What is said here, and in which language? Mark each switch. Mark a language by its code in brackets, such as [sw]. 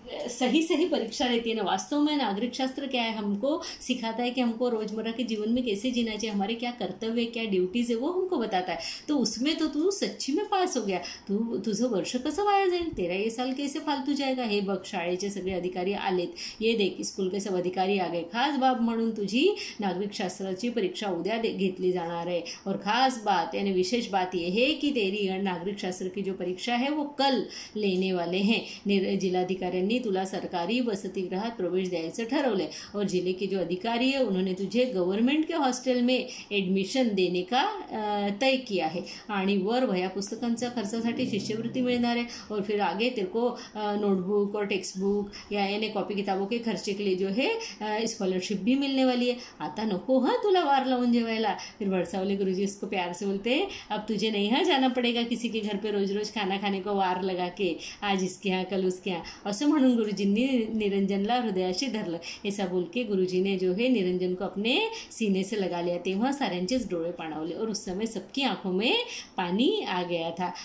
[hi] सही सही परीक्षा रहती है ना। वास्तव में नागरिक शास्त्र क्या है, हमको सिखाता है कि हमको रोजमर्रा के जीवन में कैसे जीना चाहिए, हमारे क्या कर्तव्य क्या ड्यूटीज है वो हमको बताता है। तो उसमें तो तू सच्ची में पास हो गया, [mr] तू तुझे वर्ष कसं वाया जाईल, [hi] तेरा ये साल कैसे फालतू जाएगा। [mr] हे बघ, शाळेचे सगळे अधिकारी आलेत, [hi] ये देख स्कूल के सब अधिकारी आ गए, [mr] खास बाब म्हणून तुझी नागरिक शास्त्राची परीक्षा उद्या घेतली जाणार आहे। [hi] और खास बात यानी विशेष बात ये है कि तेरी नागरिक शास्त्र की जो परीक्षा है वो कल लेने वाले हैं। [mr] जिलाधिकाऱ्यांनी तुला सरकारी वसतिगृहात प्रवेश द्यायचं ठरवलंय, [hi] और जिले के जो अधिकारी है उन्होंने तुझे गवर्नमेंट के हॉस्टेल में एडमिशन देने का तय किया है। [mr] आणि वर वह्या पुस्तकांचा खर्चासाठी शिष्यवृत्ती मिळणार आहे, [hi] और फिर आगे तेरे को नोटबुक और टेक्स्टबुक या कॉपी किताबों के खर्चे के लिए जो है स्कॉलरशिप भी मिलने वाली है। [mr] आता नको हाँ तुला वार लावून जेवायला। [hi] फिर वर्षावले गुरुजी उसको प्यार से बोलते हैं, अब तुझे नहीं यहाँ जाना पड़ेगा किसी के घर पर रोज रोज खाना खाने को वार लगा के, आज इसके यहाँ कल उसके यहाँ, [mr] असं म्हणून गुरुजींनी निरंजनला हृदयाशी धरलं। [hi] ऐसा बोल के गुरुजी ने जो है निरंजन को अपने सीने से लगा लिया, [mr] तेव्हा साऱ्यांचेच डोळे पाणावले [hi] और उस समय सबकी आंखों में पानी आ गया था।